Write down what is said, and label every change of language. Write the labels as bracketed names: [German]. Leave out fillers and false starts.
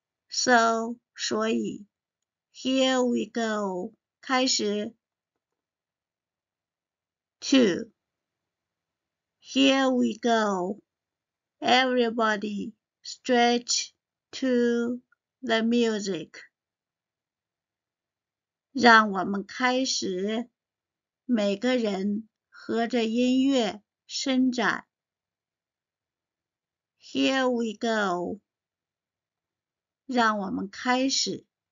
[English] So, [Chinese] 所以， [English] here we go， [Chinese] 开始。 [English] 2. Here we go. Everybody stretch to the music. [Chinese] 让我们开始，每个人和着音乐伸展。 [English] Here we go. [Chinese] 让我们开始。